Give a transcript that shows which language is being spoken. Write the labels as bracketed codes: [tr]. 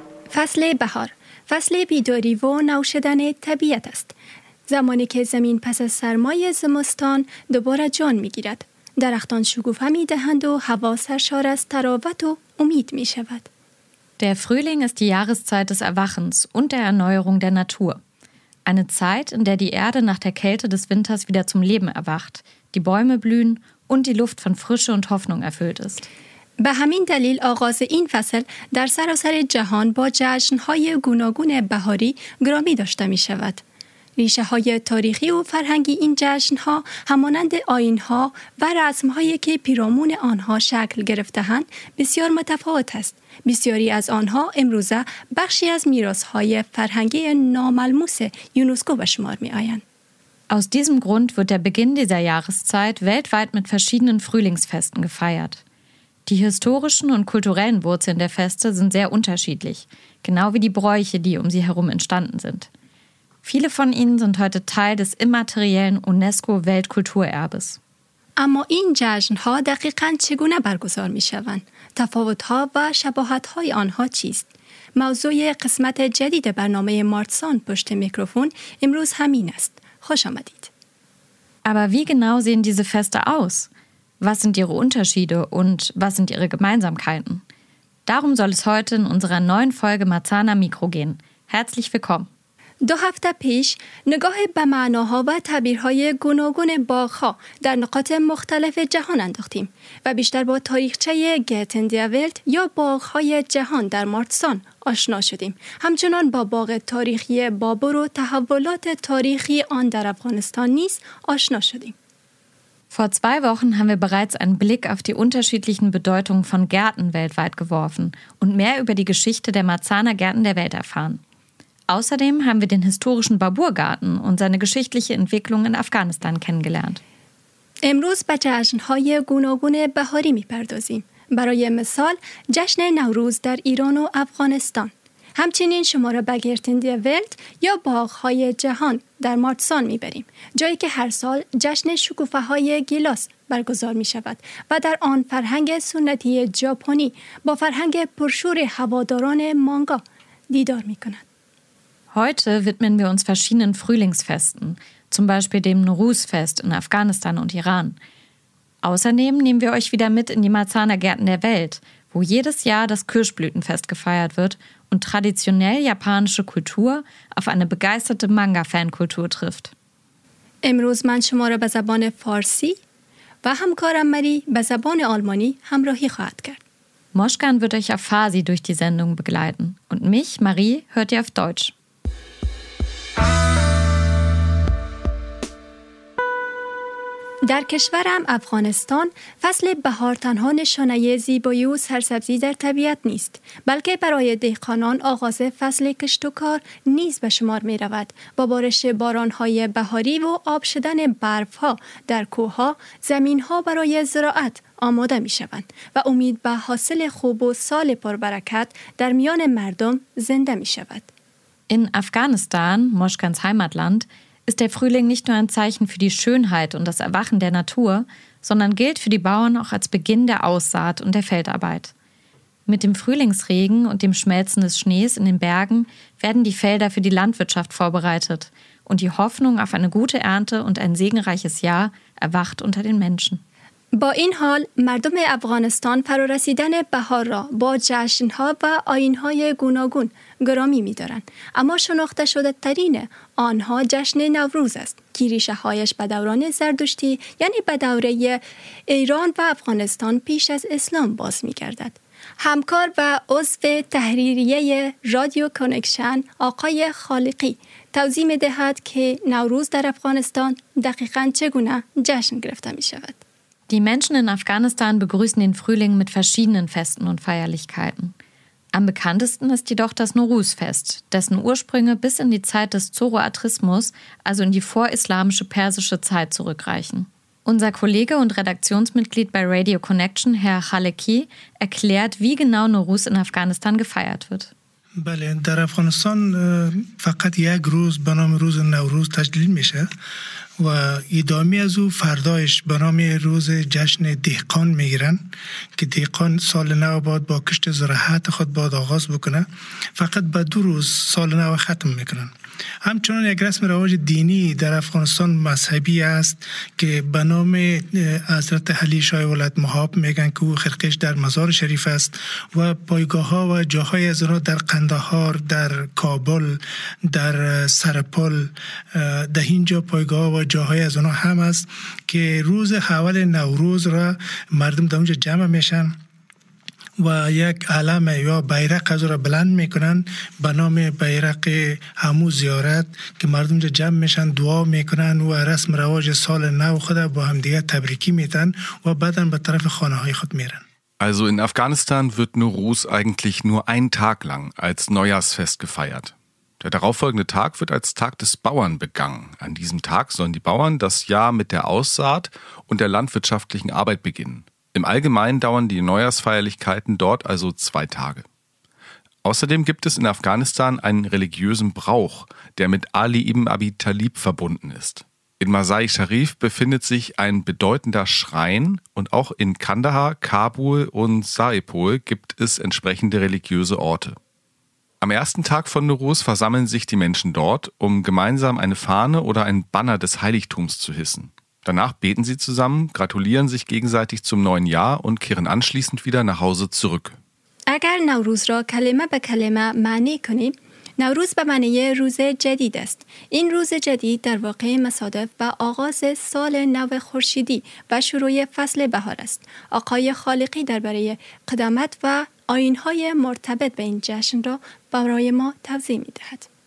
[fa] فصل بهار، فصل بیداری و نوشدن طبیعت است. زمانی که زمین پس از سرمای زمستان دوباره جان می‌گیرد. درختان شکوفه می دهند و هوا سرشار از طراوت و امید می شود. [de] Der Frühling ist die Jahreszeit des Erwachens und der Erneuerung der Natur. Eine Zeit, in der die Erde nach der Kälte des Winters wieder zum Leben erwacht, die Bäume blühen und die Luft von Frische und Hoffnung erfüllt ist. [fa] به همین دلیل آغاز این فصل در سراسر جهان با جشن‌های گوناگون بهاری گرامی داشته می شود. ریشه های تاریخی و فرهنگی این جشن ها همانند آیین ها و رسم هایی که پیرامون آنها شکل گرفته اند بسیار متفاوت است. بسیاری از آنها امروزه بخشی از میراث های فرهنگی ناملموس یونسکو به شمار می آیند. [de] Aus diesem Grund wird der Beginn dieser Jahreszeit weltweit mit verschiedenen Frühlingsfesten gefeiert. Die historischen und kulturellen Wurzeln der Feste sind sehr unterschiedlich, genau wie die Bräuche, die um sie herum entstanden sind. Viele von ihnen sind heute Teil des immateriellen UNESCO-Weltkulturerbes. [fa] اما این جشن‌ها دقیقاً چگونه برگزار می‌شوند؟ تفاوت‌ها و شباهت‌های آنها چیست؟ موضوع قسمت جدید برنامه مارتسان پشت میکروفون امروز همین است. خوش آمدید. [de] Aber wie genau sehen diese Feste aus? Was sind ihre Unterschiede und was sind ihre Gemeinsamkeiten? Darum soll es heute in unserer neuen Folge Marzahn am Mikro gehen. Herzlich willkommen. [fa] دو هفته پیش نگاه به معناها و تعبیرهای گوناگون باغ‌ها در نقاط مختلف جهان انداختیم و بیشتر با تاریخچه گتن دی ولت یا باغ‌های جهان در مارتسان آشنا شدیم. همچنان با باغ تاریخی بابر و تحولات تاریخی آن در افغانستان نیز آشنا شدیم. [de] Vor zwei Wochen haben wir bereits einen Blick auf die unterschiedlichen Bedeutungen von Gärten weltweit geworfen und mehr über die Geschichte der Marzahner Gärten der Welt erfahren. Außerdem haben wir den historischen Babur-Garten und seine geschichtliche Entwicklung in Afghanistan kennengelernt. [fa] امروز به جشن‌های گوناگون بهاری می‌پردازیم. برای مثال جشن نوروز در ایران و افغانستان. همچنین شما را به گرتن دی ولت یا باغ‌های جهان در مارتسان می‌بریم، جایی که هر سال جشن شکوفه‌های گیلاس برگزار می‌شود و در آن فرهنگ سنتی ژاپنی با فرهنگ پرشور هواداران مانگا دیدار می‌کند. [de] Heute widmen wir uns verschiedenen Frühlingsfesten, zum Beispiel dem Nowruz-Fest in Afghanistan und Iran. Außerdem nehmen wir euch wieder mit in die Marzahner Gärten der Welt, wo jedes Jahr das Kirschblütenfest gefeiert wird und traditionell japanische Kultur auf eine begeisterte Manga-Fankultur trifft. [fa] امروز من شما را به زبان فارسی و همکارم مری به زبان آلمانی همراهی خواهد کرد. [de] Moshkan wird euch auf Farsi durch die Sendung begleiten und mich, Marie, hört ihr auf Deutsch. [fa] در کشورم افغانستان فصل بهار تنها نشانه زیبایی و سرسبزی در طبیعت نیست، بلکه برای دهقانان آغاز فصل کشت و کار نیز به شمار می رود. با بارش بارانهای بهاری و آب شدن برفها در کوها، زمینها برای زراعت آماده می شوند و امید به حاصل خوب و سال پربرکت در میان مردم زنده می شود. [de] In Afghanistan, Moshkans Heimatland, ist der Frühling nicht nur ein Zeichen für die Schönheit und das Erwachen der Natur, sondern gilt für die Bauern auch als Beginn der Aussaat und der Feldarbeit. Mit dem Frühlingsregen und dem Schmelzen des Schnees in den Bergen werden die Felder für die Landwirtschaft vorbereitet und die Hoffnung auf eine gute Ernte und ein segenreiches Jahr erwacht unter den Menschen. [fa] با این حال مردم افغانستان فرارسیدن بهار را با جشن‌ها و آیین‌های گوناگون گرامی می دارن. اما شناخته شده ترین آنها جشن نوروز است که ریشه هایش به دوران زردشتی یعنی به دوره ایران و افغانستان پیش از اسلام باز می گردد. همکار و عضو تحریریه رادیو کانکشن آقای خالقی توضیح می دهد که نوروز در افغانستان دقیقاً چگونه جشن گرفته می شود. [de] Die Menschen in Afghanistan begrüßen den Frühling mit verschiedenen Festen und Feierlichkeiten. Am bekanntesten ist jedoch das Nowruz-Fest, dessen Ursprünge bis in die Zeit des Zoroastrismus, also in die vorislamische persische Zeit, zurückreichen. Unser Kollege und Redaktionsmitglied bei Radio Connection, Herr Khaleki, erklärt, wie genau Nowruz in Afghanistan gefeiert wird. [fa] بله در افغانستان فقط یک روز به نام روز نوروز تجلیل میشه و ادامه از او فردایش به نام روز جشن دهقان میگیرن که دهقان سال نو باید با کشت زراعت خود باید آغاز بکنه فقط به دو روز سال نو ختم میکنن همچنان یک رسم رواج دینی در افغانستان مذهبی است که به نام حضرت علی شاه ولایت مآب میگن که او خرقش در مزار شریف است و پایگاه ها و جاهای از اونها در قندهار، در کابل، در سرپل، در اینجا پایگاه ها و جاهای از اونها هم است که روز اول نوروز را مردم در اونجا جمع میشن و یک علم یا بیرق از را بلند میکنن به نام بیرق همو زیارت که مردم جا جمع میشن دعا میکنن و رسم رواج سال نو خود با هم دیگه تبریکی میتن و بعدن به طرف خانه های خود میرن [de] Also in Afghanistan wird Nowruz eigentlich nur einen Tag lang als Neujahrsfest gefeiert. Der darauffolgende Tag wird als Tag des Bauern begangen. An diesem Tag sollen die Bauern das Jahr mit der Aussaat und der landwirtschaftlichen Arbeit beginnen. Im Allgemeinen dauern die Neujahrsfeierlichkeiten dort also zwei Tage. Außerdem gibt es in Afghanistan einen religiösen Brauch, der mit Ali ibn Abi Talib verbunden ist. In Mazar-i-Sharif befindet sich ein bedeutender Schrein und auch in Kandahar, Kabul und Saipol gibt es entsprechende religiöse Orte. Am ersten Tag von Nowruz versammeln sich die Menschen dort, um gemeinsam eine Fahne oder einen Banner des Heiligtums zu hissen. Danach beten sie zusammen, gratulieren sich gegenseitig zum neuen Jahr und kehren anschließend wieder nach Hause zurück. [fa] اگر نوروز را کلمه به کلمه معنی کنیم، نوروز به معنی روز جدید است. این روز جدید در واقع مصادف با آغاز سال نو خورشیدی و شروع فصل بهار است. آقای خالقی درباره قدامت و آیین‌های مرتبط به این جشن را برای ما توضیح می‌دهد.